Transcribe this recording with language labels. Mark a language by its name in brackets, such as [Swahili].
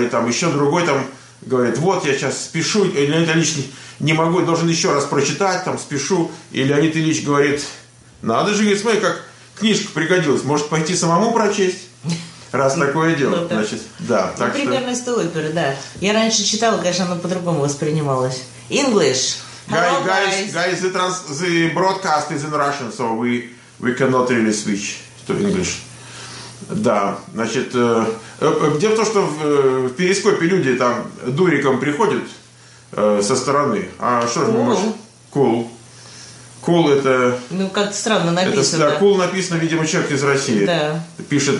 [Russian] И там еще другой там говорит, вот я сейчас спешу, и Леонид Ильич не могу, должен еще раз прочитать, там спешу. И Леонид Ильич говорит, надо же, говорит, смотри, как книжка пригодилась, может пойти самому прочесть, раз такое дело. Значит, да. Так примерно из той оперы, да. Я раньше читала, конечно, оно по-другому воспринималось. [English] English. Guys, the broadcast is in Russian, so we cannot really switch to English. [Russian] Да, значит, дело в том, что в перископе люди там дуриком приходят со стороны. А что же мы можем? [English] Cool. Cool [Russian] это... Ну, как-то странно написано. Это, да, cool написано, видимо, человек из России. Да. Пишет